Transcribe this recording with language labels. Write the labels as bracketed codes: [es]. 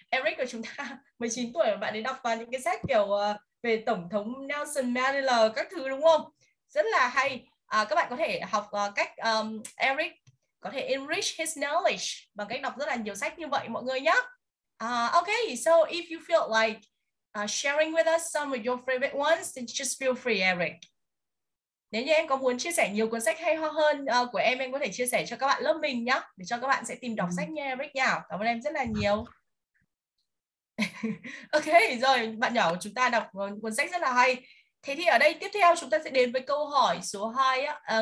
[vi] Eric của chúng ta 19 tuổi, bạn ấy đọc vào những cái sách kiểu về tổng thống Nelson Mandela các thứ đúng không? Rất là hay. Các bạn có thể học cách Eric có thể [en] enrich his knowledge [vi] bằng cách đọc rất là nhiều sách như vậy mọi người nhé. [en] Okay, so if you feel like sharing with us some of your favorite ones, then just feel free, Eric. [vi] Nếu như em có muốn chia sẻ nhiều cuốn sách hay ho hơn của em có thể chia sẻ cho các bạn lớp mình nhé, để cho các bạn sẽ tìm đọc sách nha, Eric nha. Cảm ơn em rất là nhiều. Ok, rồi, bạn nhỏ chúng ta đọc cuốn sách rất là hay. Thế thì ở đây tiếp theo chúng ta sẽ đến với câu hỏi số 2 á.